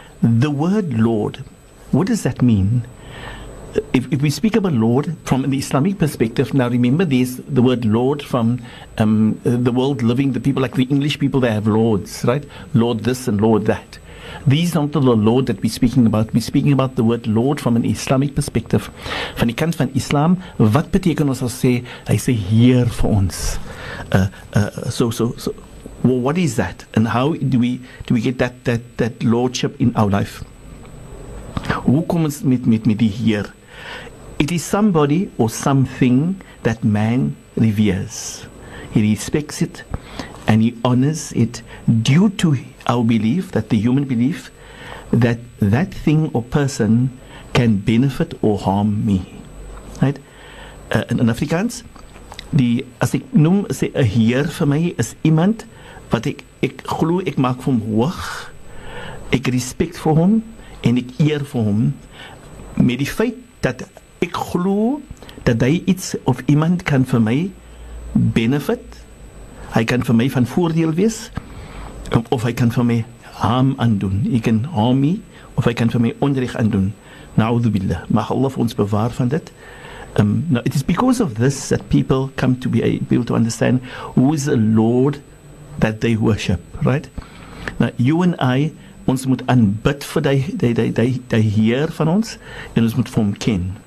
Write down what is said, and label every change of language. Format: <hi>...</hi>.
<en>The word Lord, what does that mean? If we speak about Lord from an Islamic perspective, now remember this, the word Lord from the world living, the people like the English people, they have lords, right? Lord this and Lord that. These are not the Lord that we're speaking about. We're speaking about the word Lord from an Islamic perspective.</en> <af>Van die kant van Islam, wat beteken ons als sê, hy sê Heer vir ons.</af> <en>Well, what is that? And how do we get that Lordship in our life?</en> <af>Hoe kom ons met die Heer?</af> <en>It is somebody or something that man reveres. He respects it and he honors it due to our belief, that the human belief, that thing or person can benefit or harm me. Right?</en> <af>In Afrikaans, as ek noem, sê, a Heer vir my is iemand wat ek glo ek maak vir hom hoog, ek respect vir hom en ek eer vir hom met die feit dat ek glo dat hy iets of iemand kan vir my benefit, hy kan vir my van voordeel wees, of hy kan vir my harm aandoen,</af> <en>hy kan harm me,</en> <af>of hy kan vir my onreg aandoen. Na'udhubillah, mag Allah vir ons bewaar van dit.</af> <en>Now it is because of this that people come to be able to understand who is the Lord that they worship, right? Now you and I,</en> <af>ons moet aanbid vir die Heer van ons, en ons moet vir hom ken.</af>